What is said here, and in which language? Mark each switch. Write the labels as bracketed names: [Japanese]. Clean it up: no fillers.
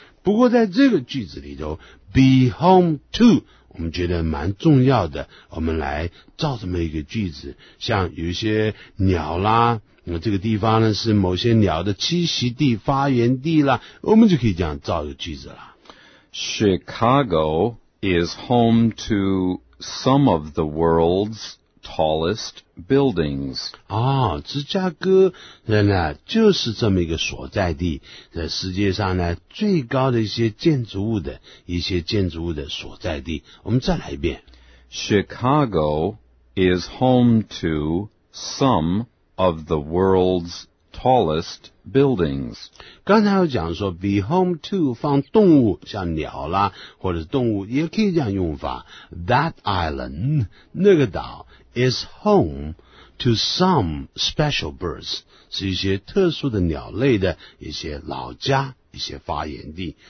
[Chinese] 不过在这个句子里头 ,be home to, 我们觉得蛮重要的。我们来造这么一个句子。像有一些鸟啦，那么这个地方呢是某些鸟的栖息地、发源地啦，我们就可以这样造一个句子了。 [English] Chicago is home to some of the world's tallest buildings. [Chinese] 啊、哦，芝加哥人呢就是这么一个所在地，在世界上呢最高的一些建筑物的所在地。我们再来一遍。 [English] Chicago is home to some. Of the world's tallest buildings. [Chinese] 刚才我讲说 be home to 放动物，像鸟啦，或者是动物，也可以这样用法。 [English] That island, [Chinese] 那个岛 [English] is home to some special birds. [Chinese] 是一些特殊的鸟类的一些老家，一些发源地。